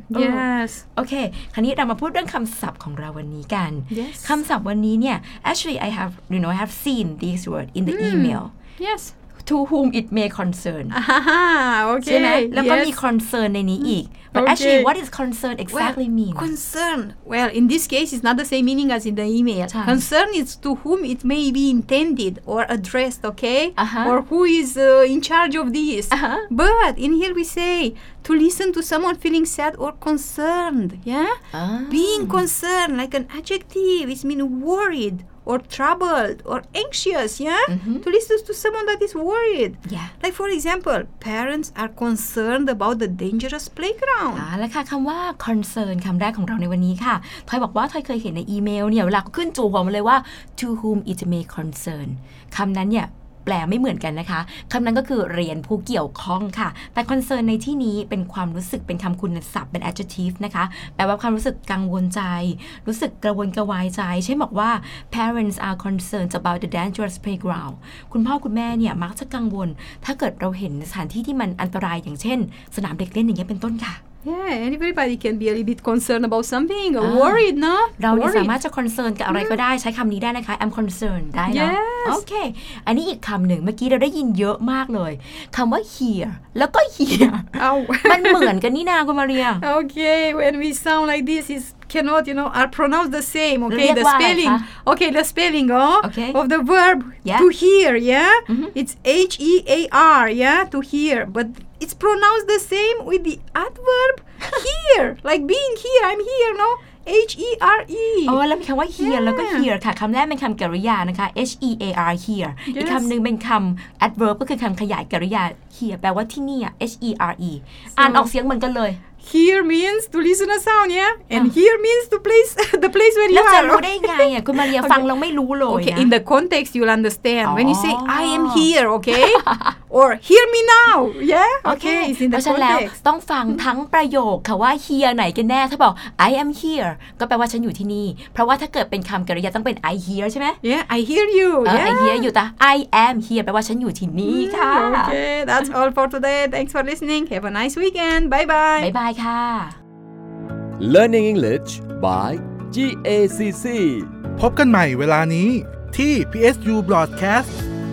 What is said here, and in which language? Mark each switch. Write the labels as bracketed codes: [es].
[en] Yes [th] โอเคคราวนี้เรามาพูดเรื่องคำศัพท์ของเราวันนี้กัน [en] Yes [th] คำศัพท์วันนี้เนี่ย [en] Actually I have you know I have seen this word in the email Yes to whom it may concern okay. [th] ใช่ไหมแล้วก็มี concern ในนี้อีก [en] but okay. actually what is concern exactly well, mean concern well in this case it's not the same meaning as in the email [th] ใช่ [en] concern is to whom it may be intended or addressed okay uh-huh. or who is in charge of this uh-huh. but in here we say to listen to someone feeling sad or concerned yeah oh. being concerned like an adjective it means worried or troubled or anxious, yeah? Mm-hmm. To listen to someone that is worried. Yeah. Like for example, parents are concerned about the dangerous playground. [th] แล้วค่ะคำว่า concern คำแรกของเราในวันนี้ค่ะทอยบอกว่าทอยเคยเห็นในอีเมลเนี่ยเวลาขึ้นจู่หัวมาเลยว่า [en] to whom it may concern [th] คำนั้นเนี่ยแปลไม่เหมือนกันนะคะคำนั้นก็คือเรียนผู้เกี่ยวข้องค่ะแต่ concern ในที่นี้เป็นความรู้สึกเป็นคำคุณศัพท์เป็น adjective นะคะแปลว่าความรู้สึกกังวลใจรู้สึกกระวนกระวายใจใช่บอกว่า [en] parents are concerned about the dangerous playground [th] คุณพ่อคุณแม่เนี่ยมักจะกังวลถ้าเกิดเราเห็นสถานที่ที่มันอันตรายอย่างเช่นสนามเด็กเล่นอย่างเงี้ยเป็นต้นค่ะ [en] Yeah, everybody can be a little bit concerned about something, or worried, no? [th] เราสามารถจะ concerned กับอะไรก็ได้ใช้คำนี้ได้นะคะ [en] I'm concerned [th] ได้ [en] yes. [th] นะ Okay, อันนี้อีกคำหนึ่งเมื่อกี้เราได้ยินเยอะมากเลยคำว่า here แล้วก็ here มันเหมือนกันนี่นาคุณมาเรีย [en] Okay, when we sound like this, it cannot, you know, are pronounced the same, okay? The spelling, okay, the spelling of the verb yeah. to hear, yeah? Mm-hmm. It's H-E-A-R, yeah, to hear, butIt's pronounced the same with the adverb here. like being here, I'm here, no? H-E-R-E. [th] Oh, แล้วมีคำว่า here แล้วก็ here ค่ะคำแรกเป็นคำกริยานะคะ H-E-A-R, here. [en] Yes. อี [th] กคำหนึ่งเป็นคำ adverb ก็คือคำขยายกริยา here แปลว่าที่นี่ H-E-R-E. So, อ่านออกเสียงเหมือนกันเลย [en] Here means to listen a sound, yeah? And here means to place the place where you are. [th] แล้วจะรู้ได้ไงคุณมาเรียฟังแล้วไม่รู้เลย [en] Okay, in the context, you'll understand. When you say, I am here, okay? Or hear me now, yeah? Okay, it's in the context. [th] แล้วต้องฟังทั้งประโยคค่ะว่า here ไหนกันแน่ถ้าบอก [en] I am here [th] ก็แปลว่าฉันอยู่ที่นี่เพราะว่าถ้าเกิดเป็นคำกริยาต้องเป็น [en] I hear [th] ใช่ไหม [en] Yeah, I hear you. I hear you, [th] แต่ I am here แปลว่าฉันอยู่ที่นี่ค่ะ [en] Okay, that's all for today. Thanks for listening. Have a nice weekend. Bye bye. Bye bye. Learning English by GACC [th] พบกันใหม่เวลานี้ที่ PSU Broadcast